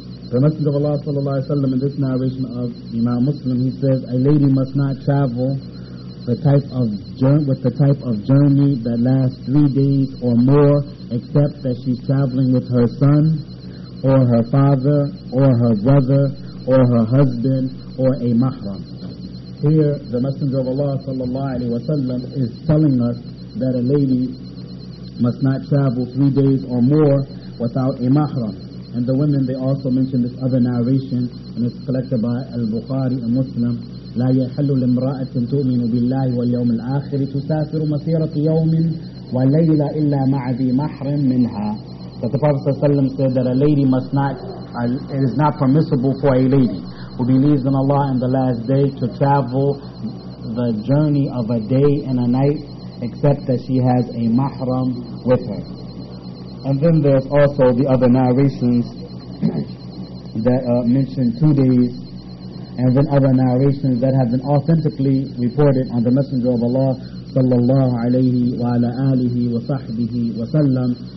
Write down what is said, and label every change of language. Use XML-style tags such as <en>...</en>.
<en>The Messenger of Allah sallallahu alayhi wa sallam, in this narration of Imam Muslim, he says, a lady must not travel with the type of journey that lasts 3 days or more, except that she's traveling with her son or her father or her brother or her husband or a mahram. Here the Messenger of Allah sallallahu alayhi wa sallam is telling us that a lady must not travel 3 days or more without a mahram. And the women, they also mention this other narration, and it's collected by Al-Bukhari and Muslim.</en> <ar>لا يحل لامرأة تؤمن بالله واليوم الآخر تسافر مسيرة يوم وليلة إلا مع ذي محرم منها.</ar> <en>That the Prophet ﷺ said that a lady must not, it is not permissible for a lady who believes in Allah in the last day to travel the journey of a day and a night except that she has a mahram with her. And then there's also the other narrations that mention 2 days, and then other narrations that have been authentically reported on the Messenger of Allah sallallahu alayhi wa ala alihi wa sahbihi wa sallam.</en>